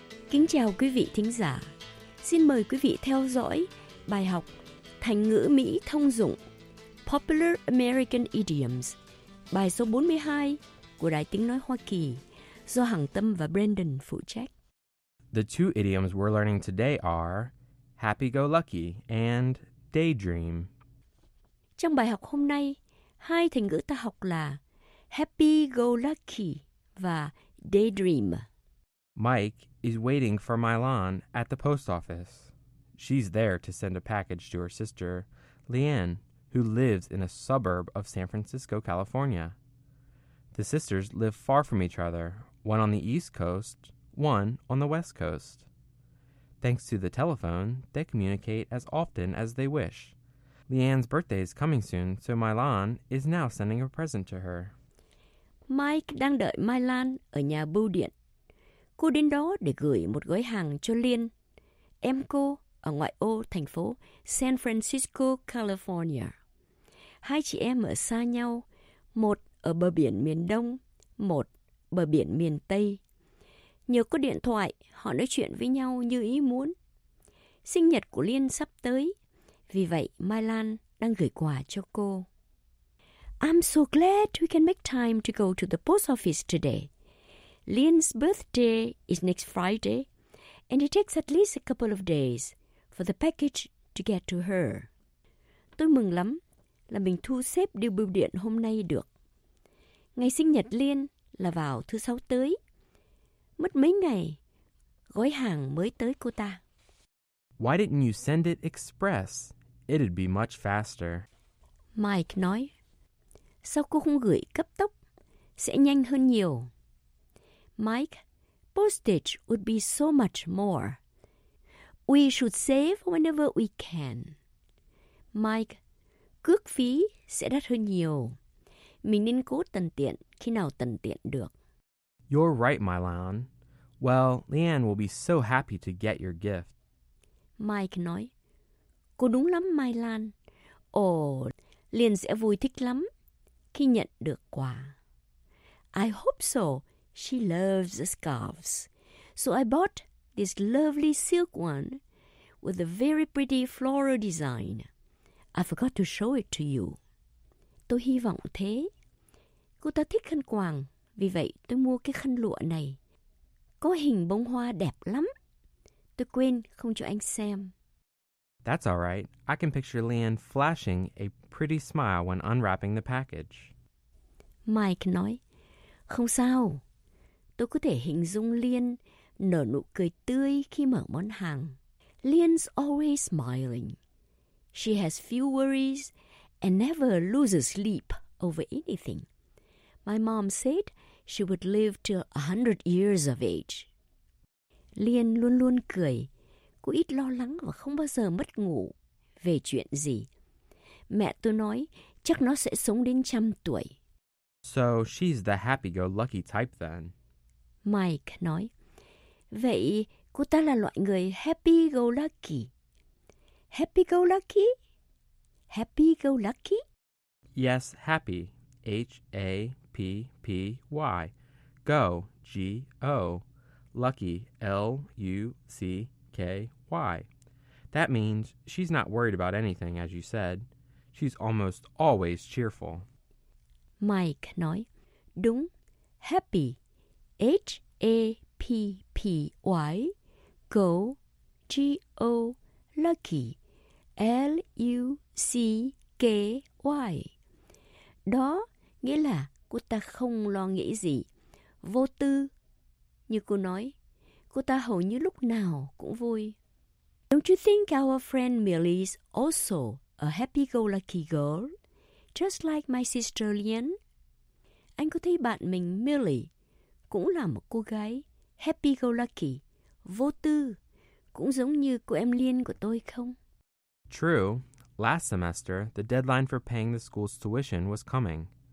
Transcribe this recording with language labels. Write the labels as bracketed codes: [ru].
[vi] Kính chào quý vị thính giả. Xin mời quý vị theo dõi bài học thành ngữ Mỹ thông dụng Popular American Idioms, bài số 42 của Đài Tiếng Nói Hoa Kỳ, do Hằng Tâm và Brandon phụ trách. [en] The two idioms we're learning today are happy-go-lucky and daydream. [vi] Trong bài học hôm nay, hai thành ngữ ta học là happy-go-lucky và daydream. [en] Mike is waiting for Milan at the post office. She's there to send a package to her sister, Leanne, who lives in a suburb of San Francisco, California. The sisters live far from each other, one on the East Coast, one on the West Coast. Thanks to the telephone, they communicate as often as they wish. Leanne's birthday is coming soon, so Milan is now sending a present to her. [vi] Mike đang đợi Milan ở nhà bưu điện. Cô đến đó để gửi một gói hàng cho Liên, em cô ở ngoại ô thành phố San Francisco, California. Hai chị em ở xa nhau, một ở bờ biển miền Đông, một bờ biển miền Tây. Nhờ có điện thoại, họ nói chuyện với nhau như ý muốn. Sinh nhật của Liên sắp tới, vì vậy Mai Lan đang gửi quà cho cô. [en] I'm so glad we can make time to go to the post office today. Liên's birthday is next Friday, and it takes at least a couple of days for the package to get to her. [vi] Tôi mừng lắm là mình thu xếp điều bưu điện hôm nay được. Ngày sinh nhật Liên là vào thứ sáu tới. Mất mấy ngày, gói hàng mới tới cô ta. [en] Why didn't you send it express? It'd be much faster. [vi] Mike nói, sao cô không gửi cấp tốc? Sẽ nhanh hơn nhiều. [en] Mike, postage would be so much more. We should save whenever we can. [vi] Mike, cước phí sẽ đắt hơn nhiều. Mình nên cố tận tiện khi nào tận tiện được. [en] You're right, Milan. Well, Leanne will be so happy to get your gift. [vi] Mike nói, cô đúng lắm, Milan. Ồ, Liên sẽ vui thích lắm khi nhận được quà. [en] I hope so. She loves the scarves. So I bought this lovely silk one with a very pretty floral design. I forgot to show it to you. [vi] Tôi hy vọng thế. Cô ta thích khăn quàng, vì vậy tôi mua cái khăn lụa này. Có hình bông hoa đẹp lắm. Tôi quên không cho anh xem. [en] That's all right. I can picture Leanne flashing a pretty smile when unwrapping the package. [vi] Mike nói, Không sao. Tôi có thể hình dung Liên nở nụ cười tươi khi mở món hàng. [en] Liên's always smiling. She has few worries and never loses sleep over anything. My mom said she would live to 100 years of age. [vi] Liên luôn luôn cười. Cô ít lo lắng và không bao giờ mất ngủ về chuyện gì. Mẹ tôi nói chắc nó sẽ sống đến 100 tuổi. [en] So she's the happy-go-lucky type then. [vi] Mike nói, vậy cô ta là loại người happy-go-lucky. [en] Happy-go-lucky? Happy-go-lucky? Yes, happy. H-A-P-P-Y. Go, G-O. Lucky, L-U-C-K-Y. That means she's not worried about anything, as you said. She's almost always cheerful. [vi] Mike nói, đúng, happy, H-A-P-P-Y, go, G-O, lucky, L-U-C-K-Y. Đó nghĩa là cô ta không lo nghĩ gì, vô tư. Như cô nói, cô ta hầu như lúc nào cũng vui. [en] Don't you think our friend Millie is also a happy-go-lucky girl, just like my sister Lien? [vi] Anh có thấy bạn mình Millie cũng là một cô gái happy-go-lucky, vô tư, cũng giống như cô em Liên của tôi không? [en] True. Last semester, the deadline for paying the school's tuition was coming.